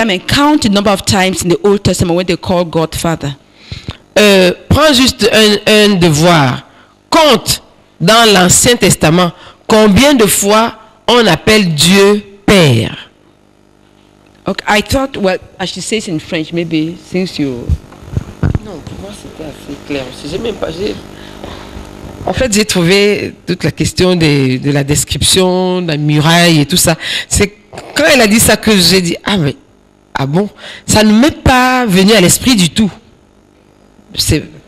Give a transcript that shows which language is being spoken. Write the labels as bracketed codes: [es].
[en] and count the number of times in the Old Testament when they called God father. [fr] Prends juste un devoir. Compte dans l'Ancien Testament combien de fois on appelle Dieu père. [en] Okay, I thought, well, I should say it in French, maybe, since you... [fr] Non, pour moi, c'était assez clair. J'ai même pas... En fait, j'ai trouvé toute la question de la description, de la muraille et tout ça. C'est quand elle a dit ça que j'ai dit, ah bon? Ça ne m'est pas venu à l'esprit du tout. C'est...